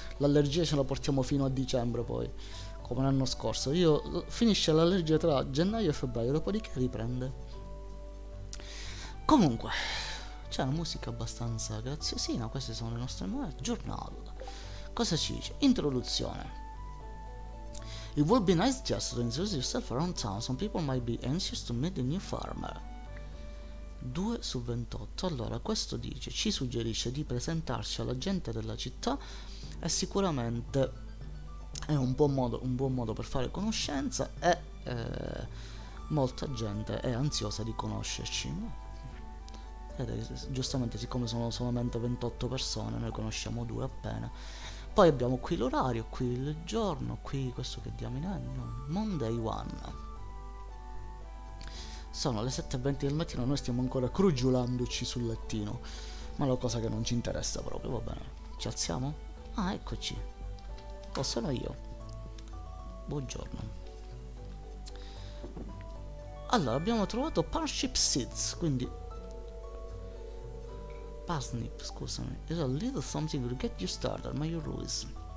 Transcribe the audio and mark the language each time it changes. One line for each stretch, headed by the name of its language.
Italian: L'allergia ce la portiamo fino a dicembre, poi, come l'anno scorso. Io finisce l'allergia tra gennaio e febbraio, dopodiché riprende. Comunque, c'è una musica abbastanza graziosina, queste sono le nostre nuove. Giornale. Cosa ci dice? Introduzione.
English: It would be nice just to introduce yourself around town. Some people might be anxious to meet the new farmer.
Italian: 2 su 28. Allora, questo dice, ci suggerisce di presentarci alla gente della città. È sicuramente è un buon modo per fare conoscenza. E molta gente è ansiosa di conoscerci, no? giustamente, siccome sono solamente 28 persone, ne conosciamo due appena. Poi abbiamo qui l'orario, qui il giorno, qui questo che diamine è, Monday One. Sono le 7:20 del mattino, noi stiamo ancora crogiolandoci sul lettino, ma è una cosa che non ci interessa proprio, va bene. Ci alziamo? Ah, eccoci. Oh, sono io. Buongiorno. Allora, abbiamo trovato Parsnip Seeds, quindi Parsnip, scusami.
English: It's a little something to get you started,
Italian: ma
English: you lose.